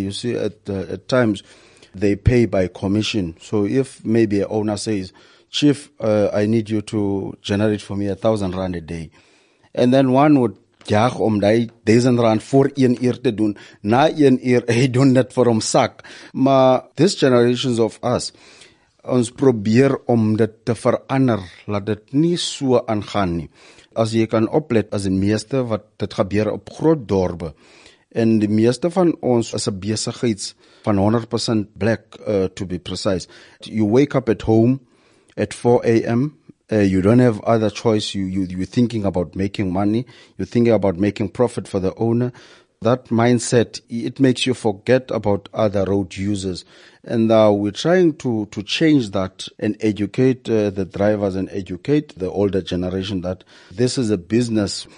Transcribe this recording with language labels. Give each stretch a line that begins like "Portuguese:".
English: You see, at times, they pay by commission. So if maybe a owner says, chief, I need you to generate for me R1,000 a day. And then one would
Afrikaans: jaag om die R1,000 voor 1 uur te doen. Na 1 uur, hy doen dit vir hom sak. Maar
English: this generations of us,
Afrikaans: ons probeer om dit te verander, laat dit nie so aangaan nie. As jy kan oplet, as die meeste wat dit gebeur op groot dorpe, en die meeste van ons is 'n besigheids van 100%
English: black, to be precise. You wake up at home at 4 a.m., you don't have other choice, you're thinking about making money, you're thinking about making profit for the owner. That mindset, it makes you forget about other road users. And we're trying to change that and educate the drivers and educate the older generation that this is a business.